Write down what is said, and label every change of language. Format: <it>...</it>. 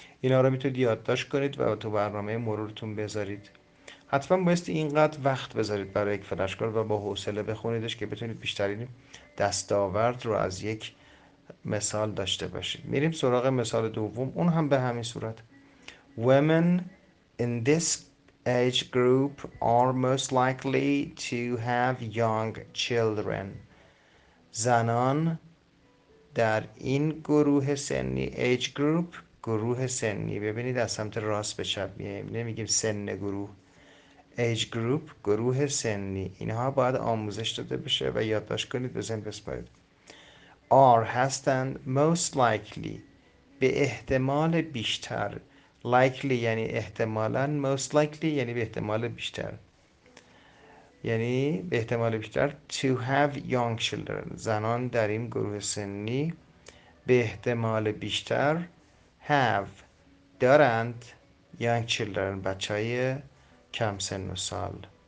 <fa>اینا رو میتونید یادداشت کنید و تو برنامه مرورتون بذارید. حتما بایستی اینقدر وقت بذارید برای یک فلش کارت و با حوصله بخونیدش که بتونید بیشترین دستاورد رو از یک مثال داشته باشید. میریم سراغ مثال دوم، اون هم به همین صورت.</fa> <en>Women in this age group are most likely to have young children. زنان</en> <fa>در این گروه سنی age group، گروه سنی، ببینید از سمت راست به چپ میایم، نمیگیم سن گروه، age group، گروه سنی، اینها باید آموزش داده بشه و یادداشت کنید به ذهن بسپارید. are هستند most likely، به احتمال بیشتر، likely یعنی احتمالا، most likely یعنی به احتمال بیشتر، یعنی به احتمال بیشتر</fa> <en>to have young children،</en> <fa>زنان در این گروه سنی به احتمال بیشتر have، دارند young children، بچه های کم سن و سال.</fa>